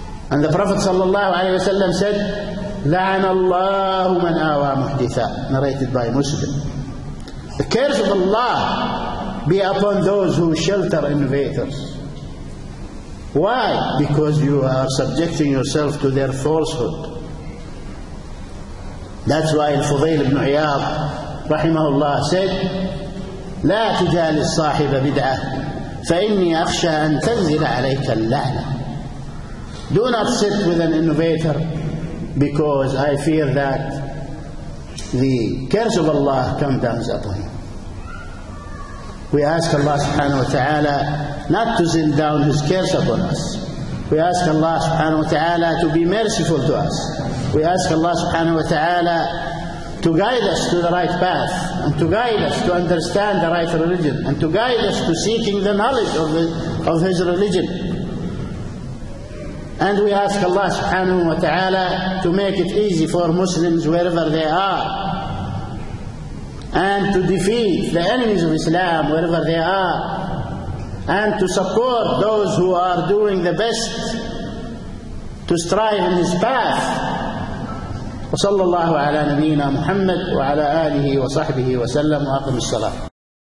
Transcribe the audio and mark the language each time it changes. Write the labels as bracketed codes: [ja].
[en] And the Prophet sallallahu alaihi wasallam said, [ar] لَعَنَ اللَّهُ مَنْ آوَى مُحْدِثًا, [en] narrated by Muslim. The curse of Allah be upon those who shelter innovators. Why? Because you are subjecting yourself to their falsehood. That's why [ar] Al-Fudayl ibn Iyad رحمه الله [en] said, [ar] لا تجالس صاحب بدعة فإني أخشى أن تنزل عليك اللعنة. [en] Do not sit with an innovator because I fear that the curse of Allah comes down upon him. We ask Allah subhanahu wa ta'ala not to send down his curse upon us. We ask Allah subhanahu wa ta'ala to be merciful to us. We ask Allah subhanahu wa ta'ala to guide us to the right path and to guide us to understand the right religion and to guide us to seeking the knowledge of his religion. And we ask Allah subhanahu wa ta'ala to make it easy for Muslims wherever they are and to defeat the enemies of Islam wherever they are and to support those who are doing the best to strive in his path. [ar] وصلى الله على نبينا محمد وعلى آله وصحبه وسلم وأقم الصلاة.